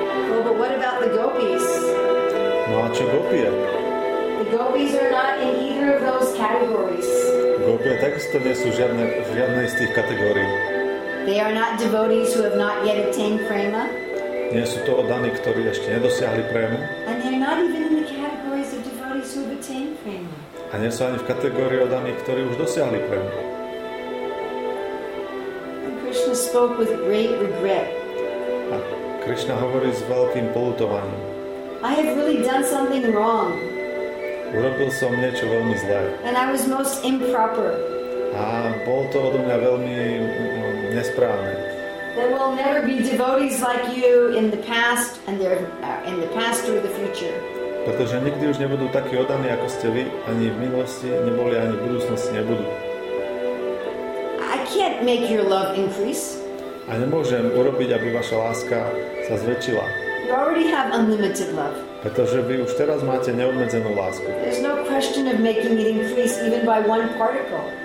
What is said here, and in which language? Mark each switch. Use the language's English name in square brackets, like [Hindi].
[English] Well, but what about the gopis? [Slovak] No, a čo gopie? [English] The gopis are not in either of those categories. [Slovak] Gopie takisto nie sú žiadne z tých kategórií. [English] They are not devotees who have not yet attained prema. [Slovak] Nie sú to oddaní, ktorí ešte nedosiahli prému. [English] And they're not even in the categories of devotees who have attained prema. [Slovak] A nie sú ani v kategórii oddaní, ktorí už dosiahli prému. [English] And Krishna spoke with great regret. [Slovak] A Krishna hovorí s veľkým poľutovaním. [English] I have really done something wrong. [Slovak] Urobil som niečo veľmi zlé. [English] And I was most improper. [Slovak] A bol to odo mňa veľmi nesprávne. [English] There will never be devotees like you in the past and there in the past or the future. [Slovak] Pretože nikdy už nebudú takí oddaní ako ste vy, ani v minulosti neboli, ani v budúcnosti nebudú. [English] I can't make your love increase. [Slovak] A nemôžem urobiť, aby vaša láska sa zväčšila. [English] You already have unlimited love. [Slovak] Pretože vy už teraz máte neobmedzenú lásku. [English] There's no question of making it increase even by one particle.